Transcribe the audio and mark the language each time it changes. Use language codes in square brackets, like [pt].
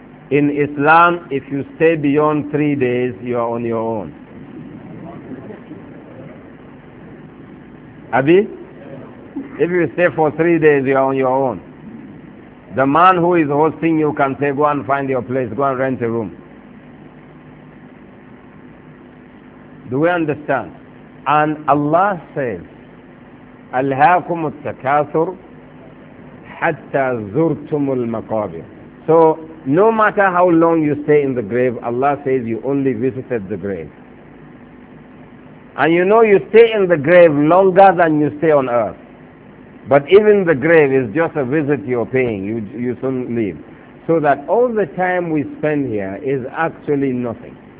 [en] In Islam, if you stay beyond 3 days, you are on your own. Abi? If you stay for 3 days, you are on your own. The man who is hosting you can say, go and find your place, go and rent a room. Do we understand? And Allah says, [ar] أَلْهَاكُمُ التَّكَاثُرُ حَتَّى زُرْتُمُ الْمَقَابِرُ. [en] So, no matter how long you stay in the grave, Allah says you only visited the grave. And you know you stay in the grave longer than you stay on earth. But even the grave is just a visit you're paying, you soon leave. So that all the time we spend here is actually nothing.